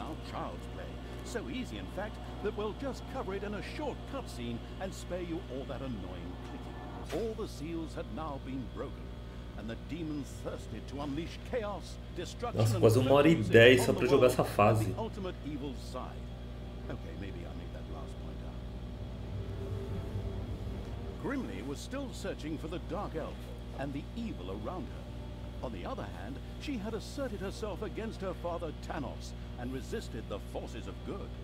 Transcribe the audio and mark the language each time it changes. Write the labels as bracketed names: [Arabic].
[English] Child's play. so easy, in fact, that we'll just cover it in a short cutscene and spare you all that annoying clicking. All the seals had now been broken, and the demons thirsted to unleash chaos, destruction. [Portuguese] Nossa, quase uma hora e dez só pra jogar essa fase. [English] The ultimate evil side. Okay, maybe I made that last point up. Grimly was still searching for the dark elf and the evil around her. On the other hand, she had asserted herself against her father Thanos and resisted the forces of good.